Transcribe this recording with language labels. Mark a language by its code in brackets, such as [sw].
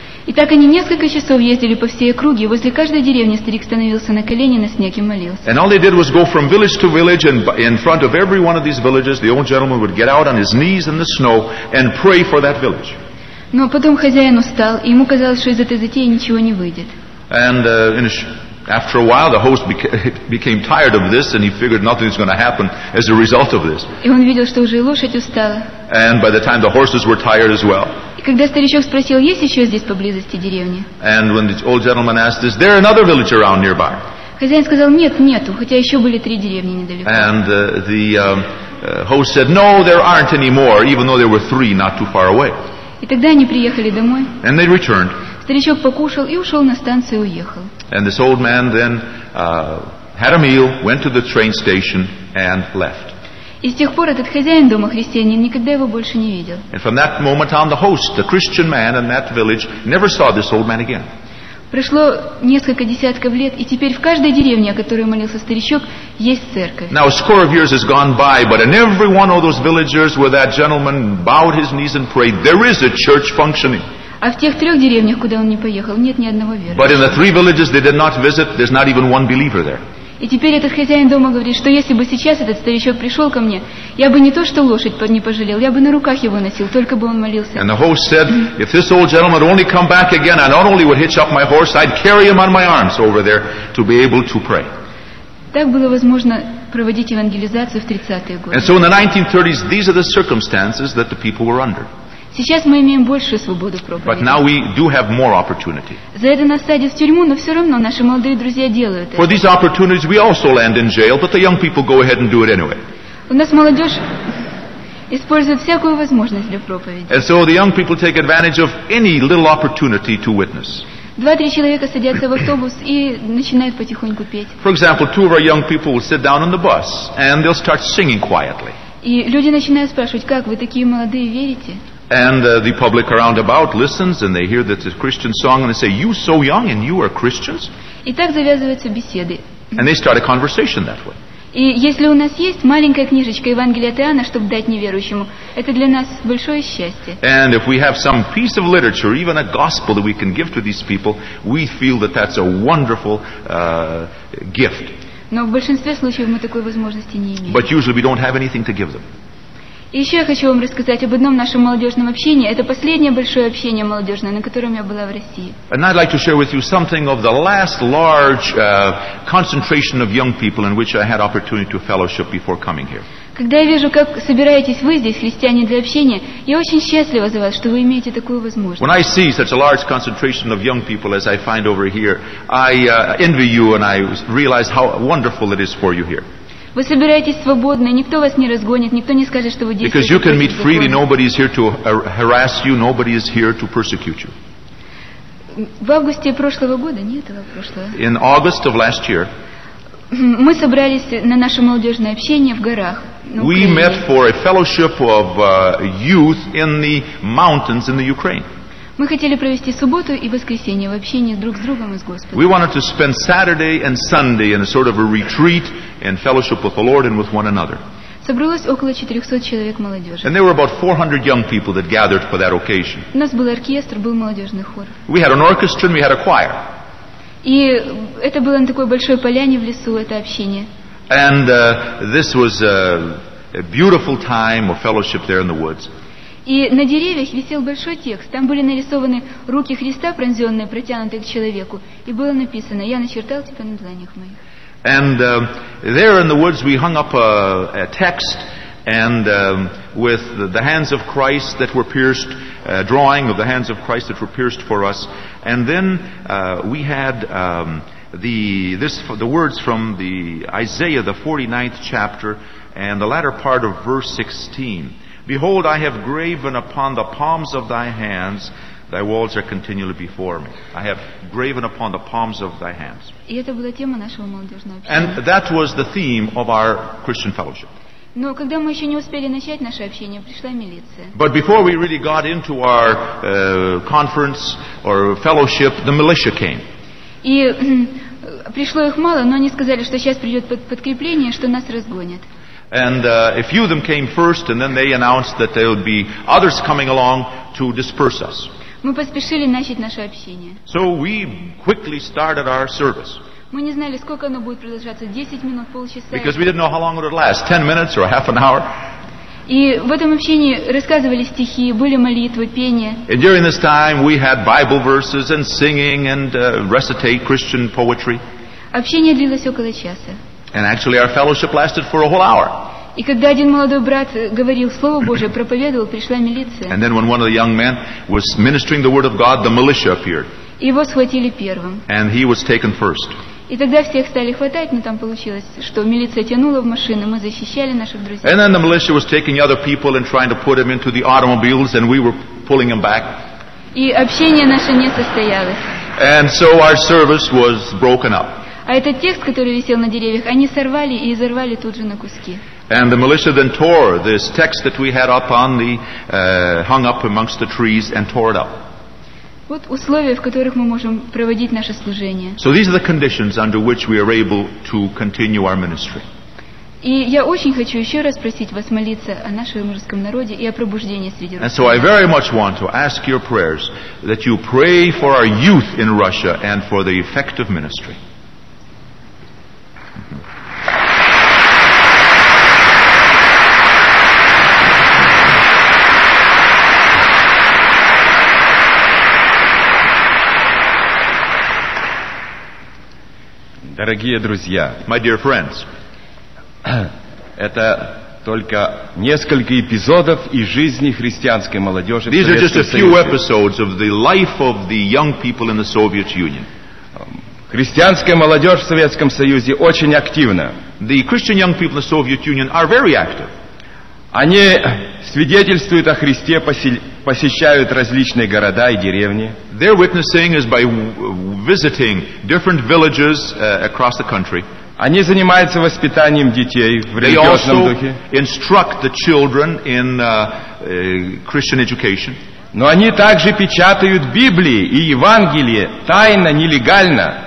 [ru] И так они несколько часов ездили по всей округе, возле каждой деревни старик становился на колени на снег и молился. [en] And all they did was go from village to village, and in front of every one of these villages, the old gentleman would get out on his knees in the snow and pray for that village. [ru] Но потом хозяин устал, и ему казалось, что из этой затеи ничего не выйдет. [en] And after a while, the host became tired of this, and he figured nothing's going to happen as a result of this. [ru] И он видел, что уже лошадь устала. [en] And by the time, the horses were tired as well. [ru] И когда старичок спросил, есть еще здесь поблизости деревни? [en] And when the old gentleman asked, "Is there another village around nearby?" [ru] Хозяин сказал, нет, нету, хотя еще были три деревни недалеко. [en] And host said, "No, there aren't any more, even though there were three not too far away." [ru] И тогда они приехали домой. [en] And they returned. [ru] Старичок покушал и ушел на станцию и уехал. [en] And this old man then had a meal, went to the train station, and left. [ru] И с тех пор этот хозяин дома, христианин, никогда его больше не видел. [en] And from that moment on, the host, the Christian man in that village, never saw this old man again. [ru] Прошло несколько десятков лет, и теперь в каждой деревне, о которой молился старичок, есть церковь. [en] Now a score of years has gone by, but in every one of those villagers where that gentleman bowed his knees and prayed, there is a church functioning. [ru] А в тех трех деревнях, куда он не поехал, нет ни одного верующего. [en] But in the three villages they did not visit, there's not even one believer there. [ru] И теперь этот хозяин дома говорит, что если бы сейчас этот старичок пришел ко мне, я бы не то что лошадь не пожалел, я бы на руках его носил, только бы он молился. [en] And the host said, "If this old gentleman would only come back again, I not only would hitch up my horse, I'd carry him on my arms over there to be able to pray." [ru] Так было возможно проводить евангелизацию в 30-е годы. [en] And so in the 1930s, these are the circumstances that the people were under. [ru] Сейчас мы имеем большую свободу проповеди. [en] But now we do have more opportunity. [ru] За это нас садят в тюрьму, но все равно наши молодые друзья делают это. [en] For these opportunities we also land in jail, but the young people go ahead and do it anyway. [ru] У нас молодежь использует всякую возможность для проповеди. [en] And so the young people take advantage of any little opportunity to witness. [ru] 2-3 человека садятся в автобус и начинают потихоньку петь. [en] For example, two of our young people will sit down on the bus and they'll start singing quietly. [ru] И люди начинают спрашивать, как вы такие молодые верите? [en] And the public around about listens, and they hear that it's a Christian song, and they say, "You so young, and you are Christians?" [ru] И так завязываются беседы. [en] And they start a conversation that way. [ru] И если у нас есть маленькая книжечка Евангелия от Иоанна, чтобы дать неверующему, это для нас большое счастье. [en] And if we have some piece of literature, even a gospel that we can give to these people, we feel that that's a wonderful gift. [ru] Но в большинстве случаев мы такой возможности не имеем. [en] But usually we don't have anything to give them. [ru] И еще я хочу вам рассказать об одном нашем молодежном общении. Это последнее большое общение молодежное, на котором я была в России. [en] And I'd like to share with you something of the last large concentration of young people in which I had opportunity to fellowship before coming here. [ru] Когда я вижу, как собираетесь вы здесь, христиане, для общения, я очень счастлива за вас, что вы имеете такую возможность. [en] When I see such a large concentration of young people as I find over here, I envy you and I realize how wonderful it is for you here. [ru] Вы собираетесь свободно, никто вас не разгонит, никто не скажет, что вы действуете. [en] Because you can meet freely, nobody is here to harass you, nobody is here to persecute you. [ru] В августе прошлого года, не этого прошлого. [en] In August of last year. [ru] Мы собрались на наше молодежное общение в горах. [en] We met for a fellowship of youth in the mountains in the Ukraine. [ru] Мы хотели провести субботу и воскресенье в общении друг с другом и с Господом. [en] We wanted to spend Saturday and Sunday in a sort of a retreat and fellowship with the Lord and with one another. [ru] Собралось около 400 человек молодежи. [en] And there were about 400 young people that gathered for that occasion. [ru] У нас был оркестр, был молодежный хор. [en] We had an orchestra and we had a choir. [ru] И это было на такой большой поляне в лесу, это общение. [en] And this was a beautiful time of fellowship there in the woods. [ru] И на деревьях висел большой текст. Там были нарисованы руки Христа, пронзенные, протянутые к человеку. И было написано: «Я начертал тебя на дланях моих». [en] And there in the woods we hung up a text, and with the hands of Christ that were pierced, drawing of the hands of Christ that were pierced for us. And then we had the words from the Isaiah, the 49th chapter, and the latter part of verse 16. Behold, I have graven upon the palms of thy hands, thy walls are continually before me. I have graven upon the palms of thy hands. And that was the theme of our Christian fellowship. [ru] Но когда мы еще не успели начать наше общение, пришла милиция. [en] But before we really got into our conference or fellowship, the militia came. [ru] И пришло их мало, но они сказали, что сейчас придет подкрепление, что нас разгонят. [en] And a few of them came first, and then they announced that there would be others coming along to disperse us. [ru] Мы поспешили начать наше общение. [en] So we quickly started our service. [ru] Мы не знали, сколько оно будет продолжаться, 10 минут, полчаса. [en] Because we didn't know how long it would last, 10 minutes or half an hour. [ru] И в этом общении рассказывали стихи, были молитвы, пение. [en] And during this time we had Bible verses and singing and recitate Christian poetry. [ru] Общение длилось около часа. [en] And actually our fellowship lasted for a whole hour. [ru] И когда один молодой брат говорил Слово Божие, проповедовал, пришла милиция. [en] And then when one of the young men was ministering the word of God, the militia appeared. [ru] Его схватили первым. [en] And he was taken first. [ru] И тогда всех стали хватать, но там получилось, что милиция тянула в машину, мы защищали наших друзей. [en] And then the militia was taking other people and trying to put them into the automobiles, and we were pulling them back. [ru] И общение наше не состоялось. [en] And so our service was broken up. [ru] А этот текст, который висел на деревьях, они сорвали и изорвали тут же на куски. [en] And the militia then tore this text that we had up on the hung up amongst the trees and tore it up. [ru] Вот условия, в которых мы можем проводить наше служение. [en] So these are the conditions under which we are able to continue our ministry. [ru] И я очень хочу еще раз просить вас молиться о нашем русском народе и о пробуждении среди русских. [en] And so I very much want to ask your prayers that you pray for our youth in Russia and for the effective ministry. [ru] Дорогие друзья, [en] my dear friends, [ru] это только несколько эпизодов из жизни христианской молодежи в Советском Союзе. [en] These are just a few episodes of the life of the young people in the Soviet Union. [ru] Христианская молодежь в Советском Союзе очень активна. [en] The Christian young people in the Soviet Union are very active. [ru] Они свидетельствуют о Христе, посещают различные города и деревни. [en] Their witnessing is by visiting different villages across the country. [ru] Они занимаются воспитанием детей в религиозном духе. [en] They also instruct the children in Christian education. [ru] Но они также печатают Библии и Евангелие тайно, нелегально.